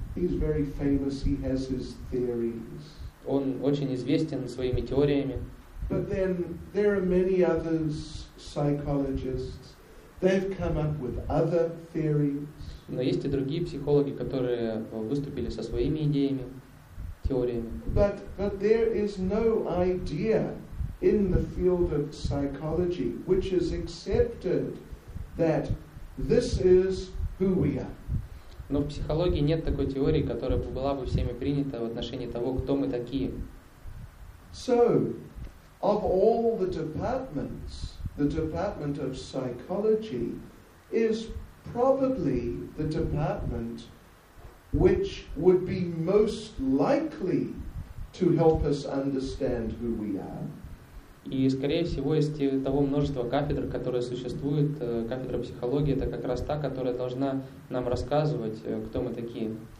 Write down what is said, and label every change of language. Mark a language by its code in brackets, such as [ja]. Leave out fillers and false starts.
[en] He's very famous, he has his theories. [ru] Он очень известен своими теориями. [en] But then there are many other psychologists. They've come up with other theories. [ru] Но есть и другие психологи, которые выступили со своими идеями, теориями. [en] But there is no idea in the field of psychology which is accepted that this is who we are. [ru] Но в психологии нет такой теории, которая была бы всеми принята в отношении того, кто мы такие. [en] So, of all the departments, the department of psychology is probably the department which would be most likely to help us understand who we are. [ru] И, скорее всего, из того множества кафедр, которые существуют, кафедра психологии, это как раз та, которая должна нам рассказывать, кто мы такие.